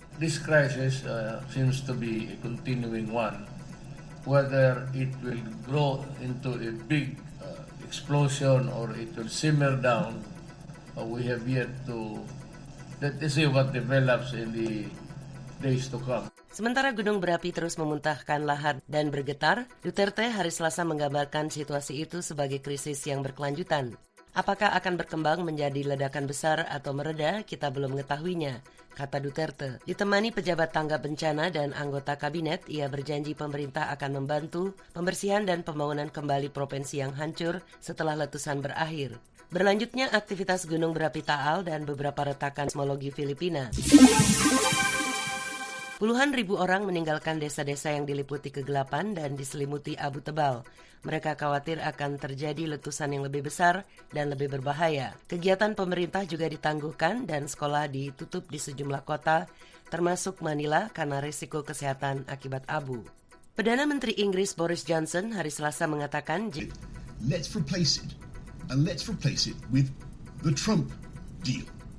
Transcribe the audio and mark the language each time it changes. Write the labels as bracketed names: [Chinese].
[English] This crisis seems to be a continuing one. Whether it will grow into a big explosion or it will simmer down, we have yet to see what develops in the days to come. [Indonesian] Sementara gunung berapi terus memuntahkan lahar dan bergetar, Duterte hari Selasa menggambarkan situasi itu sebagai krisis yang berkelanjutan. Apakah akan berkembang menjadi ledakan besar atau mereda, kita belum mengetahuinya, kata Duterte. Ditemani pejabat tanggap bencana dan anggota kabinet, ia berjanji pemerintah akan membantu pembersihan dan pembangunan kembali provinsi yang hancur setelah letusan berakhir. Berlanjutnya aktivitas gunung berapi Taal dan beberapa retakan seismologi Filipina. Puluhan ribu orang meninggalkan desa-desa yang diliputi kegelapan dan diselimuti abu tebal. Mereka khawatir akan terjadi letusan yang lebih besar dan lebih berbahaya. Kegiatan pemerintah juga ditangguhkan dan sekolah ditutup di sejumlah kota, termasuk Manila, karena risiko kesehatan akibat abu. Perdana Menteri Inggris Boris Johnson hari Selasa mengatakan, [English] "Let's replace it, and let's replace it with the Trump deal."